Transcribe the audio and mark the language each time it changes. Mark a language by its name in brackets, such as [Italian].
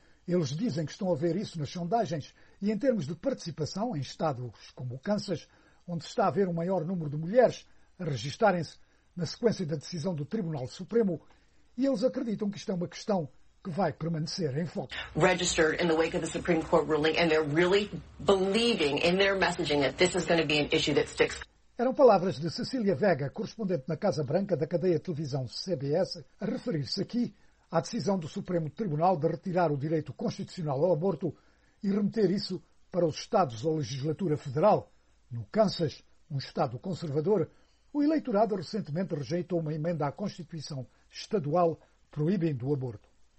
[Portuguese] Eles dizem que estão a ver isso nas sondagens e em termos de participação em estados como o Kansas, onde está a haver um maior número de mulheres a registarem-se na sequência da decisão do Tribunal Supremo, e eles acreditam que isto é uma questão que vai permanecer em foco. [English] Registered in the wake of the Supreme Court ruling, and they're really believing in their messaging that this is going to be an issue that sticks. [Portuguese] Eram palavras de Cecília Vega, correspondente na Casa Branca da cadeia de televisão CBS, a referir-se aqui à decisão do Supremo Tribunal de retirar o direito constitucional ao aborto e remeter isso para os estados ou legislatura federal. No Kansas, um estado conservador, o eleitorado recentemente rejeitou uma emenda à Constituição estadual proibindo o aborto.